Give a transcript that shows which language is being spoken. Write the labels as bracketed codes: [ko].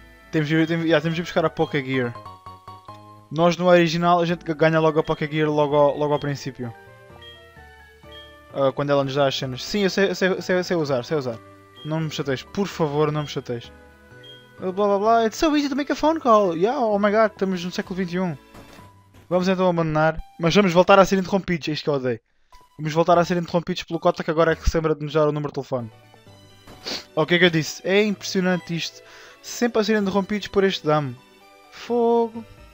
[pt] Temos de buscar a Poké Gear. Nós no original a gente ganha logo a Poké Gear logo ao princípio. Quando ela nos dá as cenas. Sim, eu sei usar. Não me chateis, por favor, não me chateis. [en] Blá blá blá, it's so easy to make a phone call. Yeah, oh my god, [pt] estamos no século XXI. Vamos então abandonar. Mas vamos voltar a ser interrompidos, é isto que eu odeio. Vamos voltar a ser interrompidos pelo Kota, que agora é que se lembra de nos dar o número de telefone. O que é que eu disse? É impressionante isto. Sempre a ser interrompidos por este dame. Fogo.